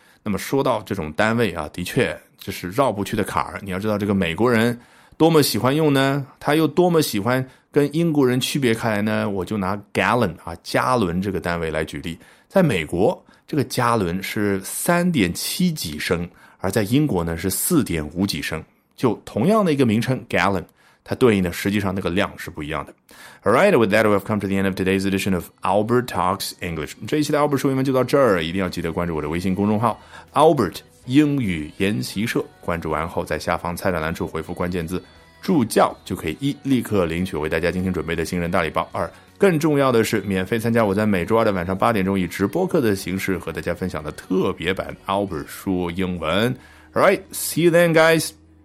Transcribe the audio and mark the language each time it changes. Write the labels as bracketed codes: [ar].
[zh] 那么说到这种单位啊，的确这是绕不去的坎儿，你要知道这个美国人多么喜欢用呢，他又多么喜欢跟英国人区别开来呢，我就拿 gallon 啊，加仑这个单位来举例。在美国这个加仑是 3.7 几升，而在英国呢是 4.5 几升，就同样的一个名称 gallon， 它对应的实际上那个量是不一样的。 [en] Alright, with that we've come to the end of today's edition of Albert Talks English。 [zh] 这一期的 Albert 说英文就到这儿，一定要记得关注我的微信公众号 Albert英语研习社，关注完后在下方菜单栏处回复关键字助教，就可以一立刻领取为大家精心准备的新人大礼包，二更重要的是免费参加我在每周二的晚上8点以直播课的形式和大家分享的特别版 Albert 说英文。 [en] Alright, see you then guys.